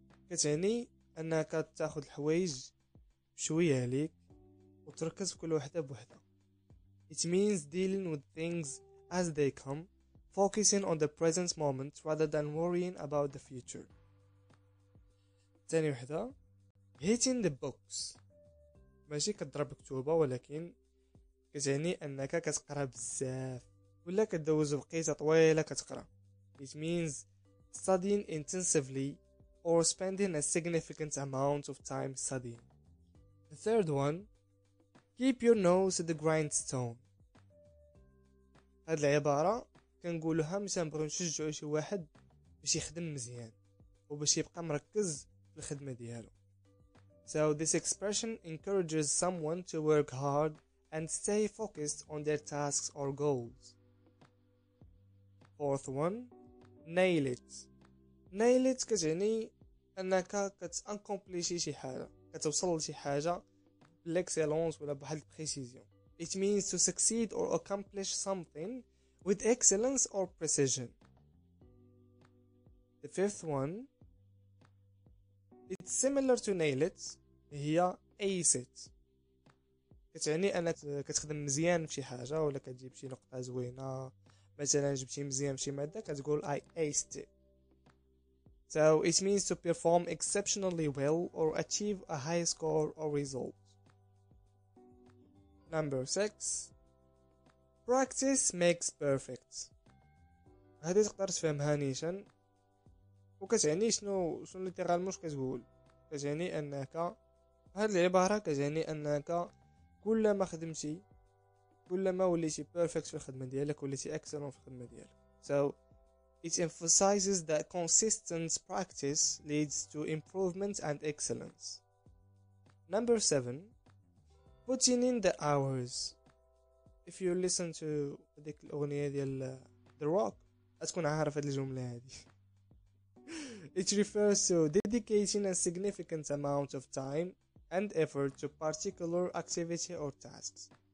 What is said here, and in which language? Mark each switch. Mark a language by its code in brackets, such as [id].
[ar] كتعني أنك تأخذ الحوايج بشوية عليك وتركز في كل واحدة بوحدة. [en] It means dealing with things as they come, focusing on the present moment rather than worrying about the future. [ar] تاني واحدة, [en] hitting the books. [ar] ماشي كتضرب كتوبة ولكن كتعني أنك كتقرأ بزاف ولا كتدوز وقيتة طويلة كتقرأ. [en] It means studying intensively or spending a significant amount of time studying. The third one, keep your nose to the grindstone. [ar] هاد العبارة كنقولوها مثلا بغي نشجعو شي واحد باش يخدم مزيان وباش يبقى مركز في الخدمة ديالو. [en] So this expression encourages someone to work hard and stay focused on their tasks or goals. Fourth one, nail it. Nail it [ar] كتعني أنك كتأكمبليشي شي حاجة, كتوصل لشي حاجة بالإكسلونس ولا بواحد البريسيزيون. [en] It means to succeed or accomplish something with excellence or precision. The fifth one, it's similar to nail it, هي ace it. [ar] كتعني أنك كتخدم مزيان في شي حاجة ولا كتجيب شي نقطة زوينة. مثلا جبتي مزيان شي مادة كتقول [en] I aced it. So it means to perform exceptionally well or achieve a high score or result. Number 6, practice makes perfect. [ar] هادي تقدر تفهمها نيشان وكتعني شنو ليترال مش كتقول. كتعني انك هاد العبارة كتعني انك كلما خدمتي كلما وليتي perfect في الخدمة ديالك وليتي excellent في الخدمة ديالك. [en] So it emphasizes that consistent practice leads to improvement and excellence. Number 7, putting in the hours. If you listen to [ar] ديك الأغنية ديال The Rock أتكون عارف هاد الجملة هادي. [en] It refers to dedicating a significant amount of time and effort to particular activity or tasks.